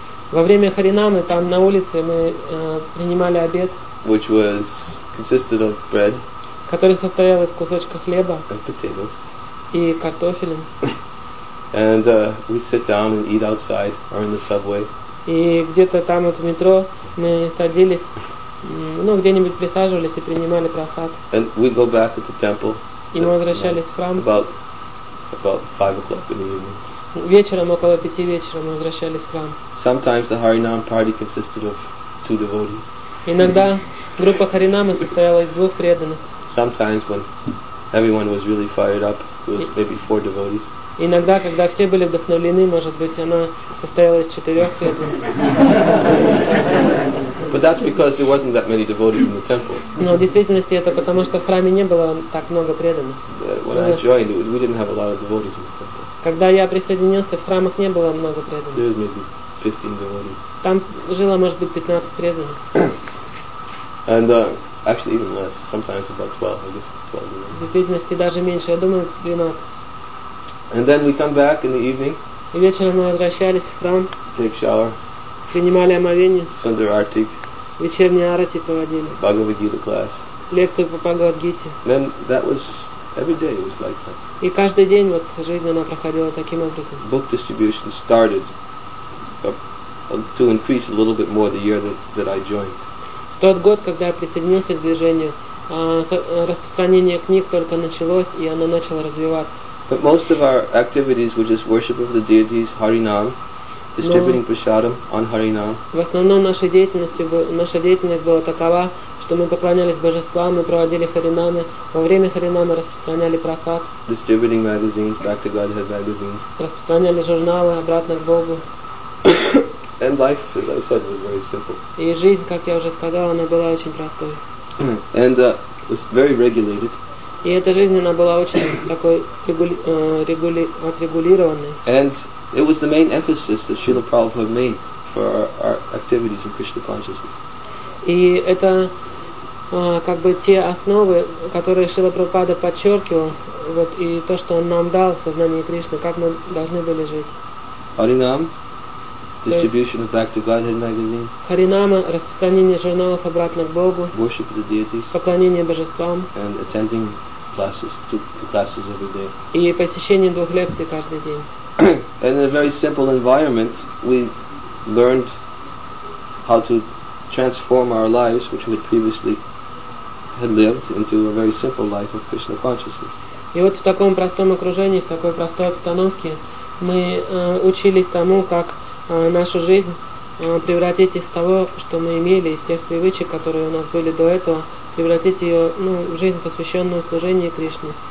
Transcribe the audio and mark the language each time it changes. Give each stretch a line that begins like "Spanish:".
Russian: Во время Харинамы там на улице мы принимали обед.
English: Which was consisted of bread.
Russian: Который состоял из кусочка хлеба.
English: And potatoes.
Russian: И картофелем.
English: And we sit down and eat outside or in the subway.
Russian: И где-то там вот в метро мы садились, ну где-нибудь присаживались и принимали просад.
English: And we go back to the temple.
Russian: И мы возвращались в храм.
English: About 5 o'clock in the evening.
Russian: Вечером около 5 вечера мы возвращались в храм.
English: Sometimes the Harinam party consisted of 2 devotees.
Russian: Иногда группа Харинамы состояла из 2 преданных.
English: Sometimes when everyone was really fired up, it was maybe 4 devotees.
Russian: Иногда, когда все были вдохновлены, может быть, она состояла из 4 преданных.
English: But that's because there wasn't that many devotees in the temple.
Russian: Но в действительности это потому, что в храме не было так много преданных.
English: When I joined, we didn't have a lot of devotees in the temple.
Russian: Когда я присоединился, в храмах не было много преданных.
English: There was maybe 15 devotees.
Russian: Там жило, может быть, 15 преданных.
English: And actually even less. Sometimes about 12, I guess 12.
Russian: В действительности даже меньше, я думаю, 12.
English: And then we come back in the evening.
Russian: И вечером мы возвращались в храм.
English: Take shower.
Russian: Принимали омовение.
English: Sundar arti.
Russian: Вечерние арати проводили.
English: Bhagavad Gita class.
Russian: Лекцию по Bhagavad Gita.
English: Then that was every day. It was like that.
Russian: И каждый день вот жизнь она проходила таким образом.
English: Book distribution started to increase a little bit more the year that I joined.
Russian: В тот год, когда я присоединился к движению, распространение книг только началось и оно начало развиваться.
English: But most of our activities were just worship of the deities, Harinam, distributing prasadam on Harinam.
Russian: В основном наша деятельность была такова, что мы поклонялись божествам, мы проводили харинамы, во время харинамы распространяли прасад.
English: Distributing magazines, back to Godhead magazines.
Russian: Распространяли журналы обратно к Богу.
English: And life, as I said, was very simple.
Russian: И жизнь, как я уже сказал, она была очень простой.
English: And was very regulated.
Russian: И эта жизнь, она была очень такой отрегулированной.
English: And it was the main emphasis that Srila Prabhupada made for our activities in Krishna consciousness.
Russian: И это как бы те основы, которые Шрила Прабхупада подчеркивал, вот и то, что он нам дал в сознании Кришны, как мы должны были жить.
English: Харинам, Distribution of Back to Godhead magazines.
Russian: Харинама, распространение журналов обратно к Богу.
English: Worship the deities.
Russian: Поклонение божествам.
English: And attending classes, two classes every day.
Russian: И посещение двух лекций каждый день.
English: And in a very simple environment, we learned how to transform our lives, which we previously had lived, into a very simple life of Krishna consciousness.
Russian: И вот в таком простом окружении, в такой простой обстановке, мы учились тому, как нашу жизнь превратить из того, что мы имели, из тех привычек, которые у нас были до этого, превратить ее в жизнь, посвященную служению Кришне.